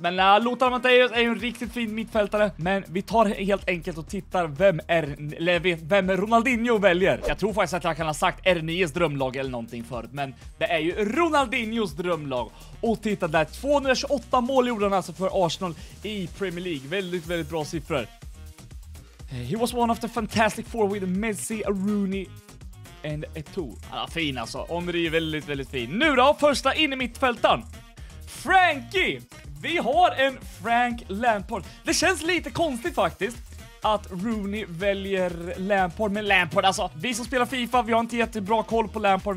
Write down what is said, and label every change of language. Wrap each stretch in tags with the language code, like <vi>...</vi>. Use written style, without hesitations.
<sv>Men nej, Lothar Matthäus är ju en riktigt fin mittfältare. Men vi tar helt enkelt och tittar vem Ronaldinho väljer. Jag tror faktiskt att jag kan ha sagt R9s drömlag eller någonting förut. Men det är ju Ronaldinhos drömlag. Och titta där, 228 mål gjorde han alltså för Arsenal i Premier League. Väldigt, väldigt bra siffror.</sv> <en>He was one of the fantastic four with Messi, Rooney and Eto'o.</en> <sv>Ja, fin alltså. Henry är väldigt, väldigt fin. Nu då, första in i mittfältan. Frankie! Vi har en Frank Lampard. Det känns lite konstigt faktiskt. att Rooney väljer Lampard. Men Lampard, alltså, vi som spelar FIFA, vi har inte jättebra koll på Lampard.</sv>